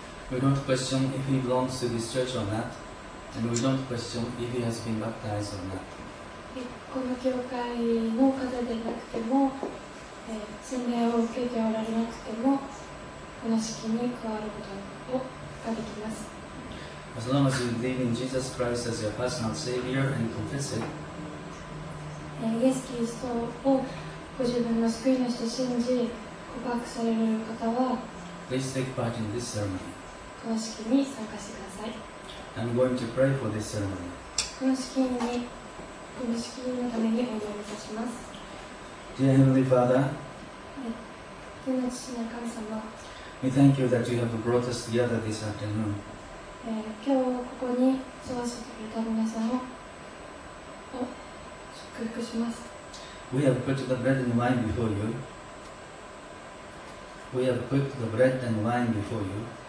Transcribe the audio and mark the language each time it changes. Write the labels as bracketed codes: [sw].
[en] We don't question if he belongs to this church or not, and we don't question if he has been baptized or not. [ja] この教会の方でなくても、洗礼を受けておられなくても、この式に加わることができます。 [en] As long as you believe in Jesus Christ as your personal Savior and confess it, [ja] イエス・キリストをご自分の救い主と信じ、告白される方は、 [en] Please take part in this ceremony. [ja] この式に参加してください。 [en] I'm going to pray for this ceremony. [ja] この式に、この式のためにお祈りいたします。 [en] Dear Heavenly Father, [ja] 天の父なる神様、 [en] We thank you that you have brought us together this afternoon. [ja] 今日ここに集わせてくれた皆さんを、 [en] We have put the bread and wine before you. We have put the bread and wine before you.